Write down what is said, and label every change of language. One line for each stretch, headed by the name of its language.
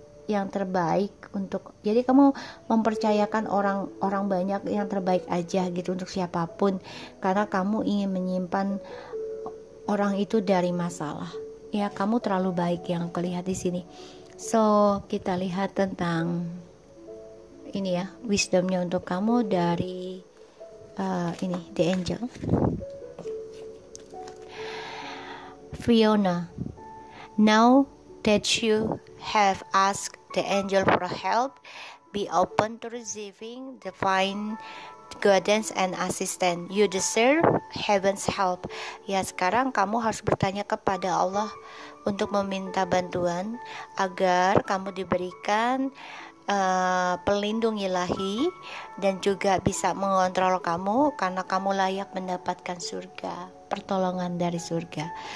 Indonesian: yang terbaik untuk, jadi kamu mempercayakan orang-orang banyak yang terbaik aja gitu untuk siapapun, karena kamu ingin menyimpan orang itu dari masalah. Ya, kamu terlalu baik yang kulihat di sini. So, kita lihat tentang ini ya, wisdomnya untuk kamu dari ini The Angel.
English: Fiona, now that you have asked the angel for help, be open to receiving divine guidance and assistance. You deserve heaven's help.
Indonesian: Ya, sekarang kamu harus bertanya kepada Allah untuk meminta bantuan agar kamu diberikan pelindung ilahi dan juga bisa mengontrol kamu, karena kamu layak mendapatkan surga, pertolongan dari surga.